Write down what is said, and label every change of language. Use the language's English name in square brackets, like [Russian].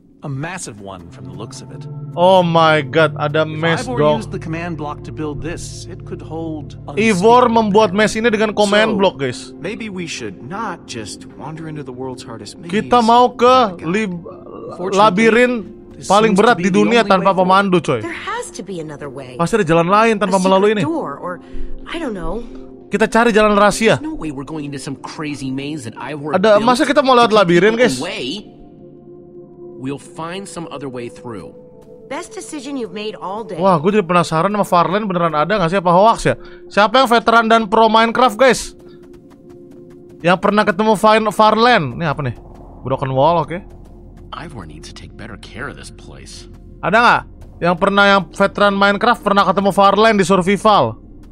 [English] A massive one from the looks of it. [Indonesian] Oh my god, ada mesh dong. [English] Used the command block to build this. It could hold. [Indonesian] Ivor membuat mesh ini dengan command block, guys. [English] Maybe we should not just wander into the world's hardest maze. [Indonesian] Kita mau ke labirin paling berat di dunia tanpa pemandu, coy. [English] There has to be another way. [Indonesian] Pasti ada jalan lain tanpa melalui ini. [English] Door, or, I don't know. [Indonesian] Kita cari jalan rahasia. [English] No way we're going into some crazy maze that Ivor [Indonesian] ada [English] built. [Indonesian] Masa kita mau lewat labirin, guys? [English] We'll find some other way through. Best decision you've made all day. [Indonesian] Wah, gue jadi penasaran sama Farland beneran ada enggak sih apa hoax ya? Siapa yang veteran dan pro Minecraft, guys? Yang pernah ketemu Farland? Ini apa nih? Broken wall, oke. [English] Okay. Ivor needs to take better care of this place. [Indonesian] Ada enggak yang pernah yang veteran Minecraft pernah ketemu Farland di survival?